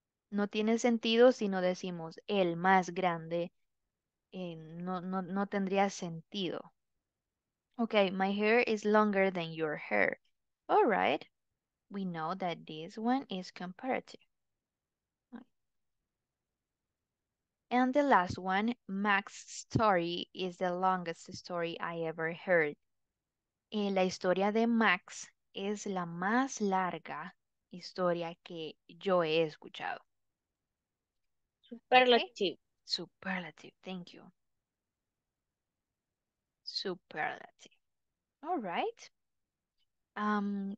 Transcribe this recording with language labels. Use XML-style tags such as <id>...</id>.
<es>No tiene sentido si no decimos el más grande. No tendría sentido.</es> <en>Okay, my hair is longer than your hair. All right. We know that this one is comparative. And the last one, Max's story is the longest story I ever heard.</en> <es>Y la historia de Max es la más larga historia que yo he escuchado.</es> <en>Superlative. Okay. Superlative, thank you. Superlative. All right.</en>